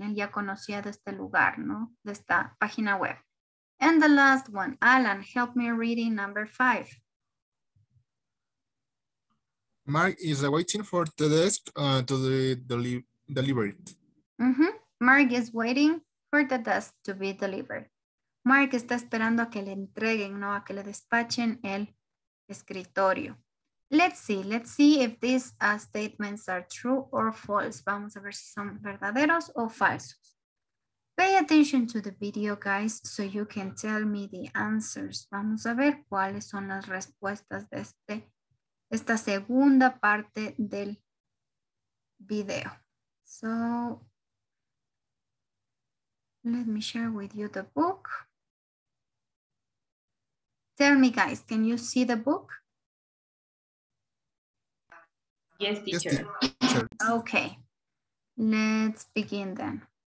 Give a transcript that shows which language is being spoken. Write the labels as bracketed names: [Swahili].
[Spanish] Él ya conocía de este lugar, ¿no? De esta página web. [English] And the last one, Alan, help me reading number five. Mark is waiting for the desk to be delivered. Mm-hmm. Mark is waiting for the desk to be delivered. [Spanish] Mark está esperando a que le entreguen, ¿no? A que le despachen el escritorio. [English] Let's see if these statements are true or false. [Spanish] Vamos a ver si son verdaderos o falsos. [English] Pay attention to the video, guys, so you can tell me the answers. [Spanish] Vamos a ver cuáles son las respuestas de esta segunda parte del video. [English] So, let me share with you the book. Tell me, guys, can you see the book? Yes, teacher. Okay, let's begin then.